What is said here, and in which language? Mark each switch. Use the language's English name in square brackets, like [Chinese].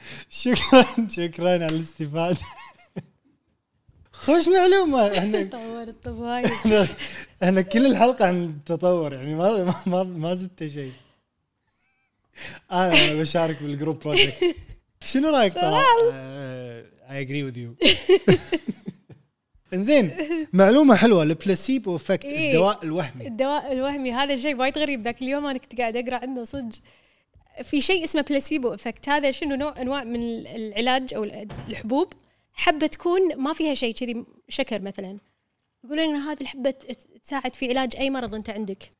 [Arabic] شكرا شكرا على الاستفادة. خوش معلومة. طور الطب وايد. أنا كل الحلقة عن التطور يعني ما ما ما, ما زدت شيء. أنا بشارك بالجروب بروجكت. شنو رأيك طلع؟ [English] I agree with you. [Arabic] إنزين معلومة حلوة البلاسيبو إفكت، الدواء الوهمي. الدواء الوهمي هذا شيء وايد غريب، ذاك اليوم أنا كنت قاعد أقرأ عنه صدق. في شيء اسمه بلاسيبو إفكت، هذا شنو نوع أنواع من العلاج أو الحبوب، حبة تكون ما فيها شيء كذي شكر مثلاً، يقولون إنه هذه الحبة تساعد في علاج أي مرض أنت عندك.